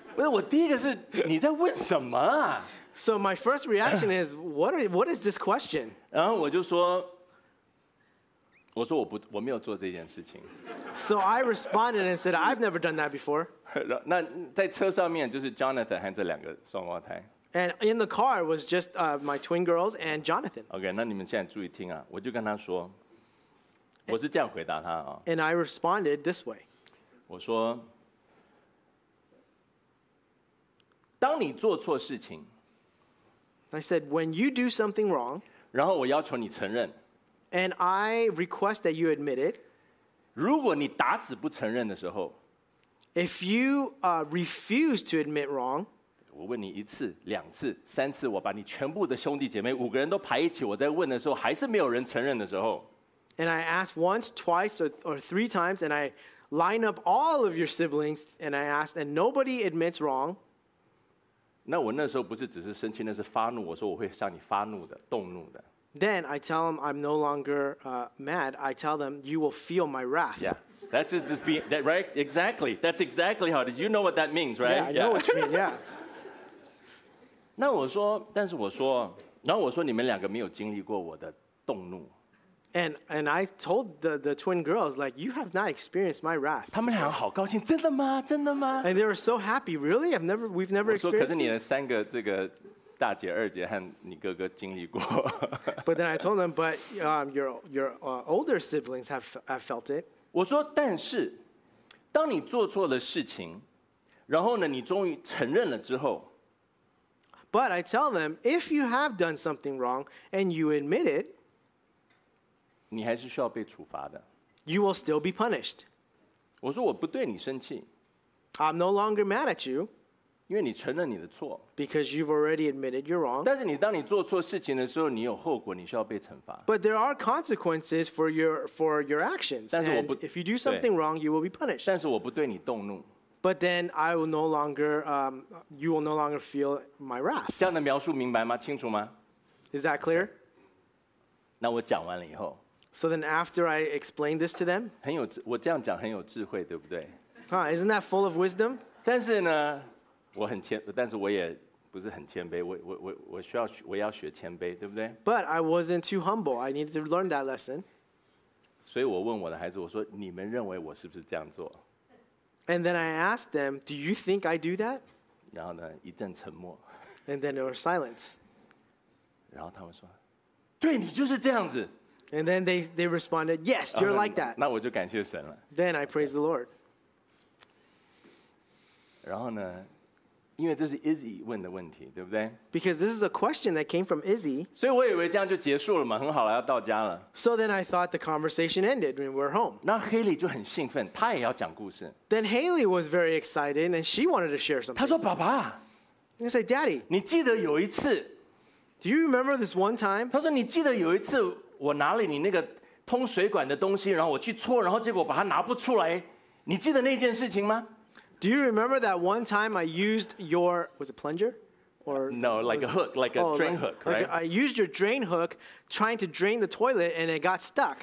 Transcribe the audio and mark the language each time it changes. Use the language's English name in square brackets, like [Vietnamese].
[Chinese] 不是我第一个是你在问什么啊 [English] ？So my first reaction is what is this question? [Chinese] 然后我就说，我说我没有做这件事情。 [English] So I responded and said I've never done that before. [Chinese] 那在车上面就是 Jonathan 和这两个双胞胎。 [English] And in the car was just my twin girls and Jonathan. [Chinese] Okay, 那你们现在注意听啊，我就跟他说。我是这样回答他啊。 [English] And I responded this way. [Chinese] 我说，当你做错事情 [English] ，I said when you do something wrong. [Chinese] 然后我要求你承认。 [English] And I request that you admit it. [Chinese] 如果你打死不承认的时候 [English] ，If you refuse to admit wrong. [Chinese] 我问你一次、两次、三次，我把你全部的兄弟姐妹五个人都排一起，我在问的时候，还是没有人承认的时候。 [English] And I asked once, twice, or three times, and I line up all of your siblings, and I asked, and nobody admits wrong. [Chinese] 那我那时候不是只是生气，那是发怒。我说我会向你发怒的，动怒的。 [English] Then I tell them I'm no longer mad. I tell them you will feel my wrath. Yeah, that's it. Just be that, right? Exactly. That's exactly how. Did you know what that means, right? Yeah, I know what you mean. Yeah. [Chinese] 那我说，但是我说，然后我说你们两个没有经历过我的动怒。 [English] And I told the twin girls, like, you have not experienced my wrath. [Chinese] 他们俩好高兴，真的吗？真的吗？ [English] And they were so happy, really? We've never experienced [Chinese] it. 我说，可是你的三个这个大姐、二姐和你哥哥经历过。 [English] But then I told them, but your older siblings have felt it. [Chinese] 我说，但是，当你做错了事情，然后呢，你终于承认了之后。 [English] But I tell them, if you have done something wrong and you admit it, [Chinese] 你还是需要被处罚的。 [English] You will still be punished. [Chinese] 我说我不对你生气。 [English] I'm no longer mad at you. [Chinese] 因为你承认你的错。 [English] Because you've already admitted you're wrong. [Chinese] 但是你当你做错事情的时候，你有后果，你需要被惩罚。 [English] But there are consequences for your actions. [Chinese] 但是我不 [English] And if you do something wrong, you will be punished. [Chinese] 但是我不对你动怒。 [English] But then I will no longer, you will no longer feel my wrath. [Chinese] 这样的描述明白吗？清楚吗？ [English] Is that clear? [Chinese] 那我讲完了以后。 [English] So then after I explain this to them? [Chinese] 很有我这样讲很有智慧对不对 [English] Huh, isn't that full of wisdom? [Chinese] 但是呢我很谦但是我也不是很谦卑我需要我要学谦卑对不对 [English] But I wasn't too humble. I needed to learn that lesson. [Chinese] 所以我问我的孩子我说你们认为我是不是这样做 [English] And then I asked them, do you think I do that? [Chinese] 然后呢一阵沉默 [English] And then there was silence. [Chinese] 然后他们说对你就是这样子 [English] And then they responded, yes, you're like that. [Chinese] 那我就感谢神了。 [English] Then I praise the Lord. [Chinese] 然后呢因为这是 Izzy 问的问题，对不对？ [English] Because this is a question that came from Izzy. [Chinese] 所以我以为这样就结束了嘛，很好了，要到家了。 [English] So then I thought the conversation ended when we're home. [Chinese] 那 Haley 就很兴奋，她也要讲故事。 [English] Then Haley was very excited and she wanted to share something. [Chinese] 她说：“爸爸。” [English] I said, Daddy. [Chinese] 你记得有一次？ [English] Do you remember this one time? [Chinese] 她说：“你记得有一次我拿了你那个通水管的东西，然后我去搓，然后结果把它拿不出来，你记得那件事情吗？” [English] Do you remember that one time I used your, was it plunger? Or no, like a hook, like a drain hook, right? Like I used your drain hook trying to drain the toilet and it got stuck.